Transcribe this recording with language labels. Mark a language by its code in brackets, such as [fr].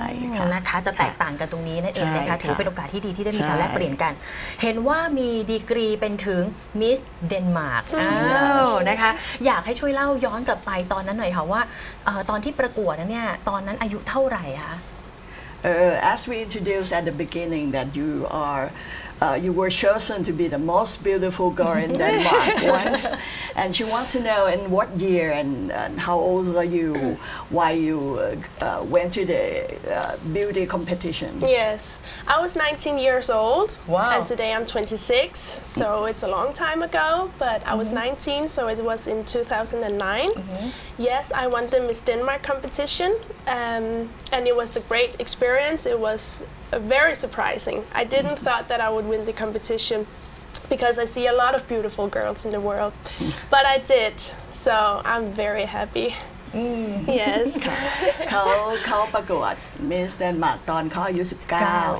[th] นะคะจะแตกต่างกันตรงนี้นั่นเองนะคะถือเป็นโอกาสที่ดีที่ได้มีการแลกเปลี่ยนกันเห็นว่ามีดีกรีเป็นถึงมิสเดนมาร์กนะคะอยากให้ช่วยเล่าย้อนกลับไปตอนนั้นหน่อยค่ะว่าตอนที่ประกวดนั้นเนี่ยตอนนั้นอายุเท่าไหร่คะ [en] As we introduced at the beginning that you are you were chosen to be the most beautiful girl in Denmark once, and she wants to know in what year and how old are you, why you went to the beauty competition. Yes, I was 19 years old. Wow. And today I'm 26, so it's a long time ago, but I was 19, so it was in 2009. Mm-hmm. Yes, I won the Miss Denmark competition, and it was a great experience. It was very surprising. I didn't thought that I would win the competition, because I see a lot of beautiful girls in the world. But I did, so I'm very happy. Yes. [th] เขาประกวด Miss Denmark ตอนเขาอายุ19